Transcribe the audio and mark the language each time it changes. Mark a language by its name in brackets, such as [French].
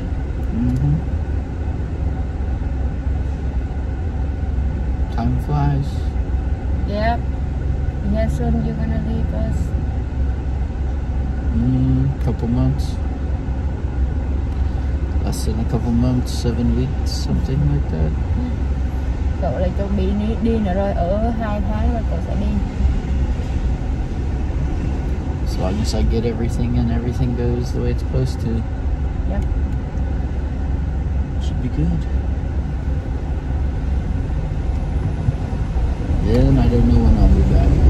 [English] Mm-hmm. Time flies. Yep. Yeah, soon you're gonna leave us. Couple months. Less than a couple months, 7 weeks, something like that. [Vietnamese] Cậu lại chuẩn bị đi nữa rồi, ở 2 tháng rồi cậu sẽ đi. [English] As long as I get everything and everything goes the way it's supposed to. Yep. Should be good. Then I don't know when I'll be back.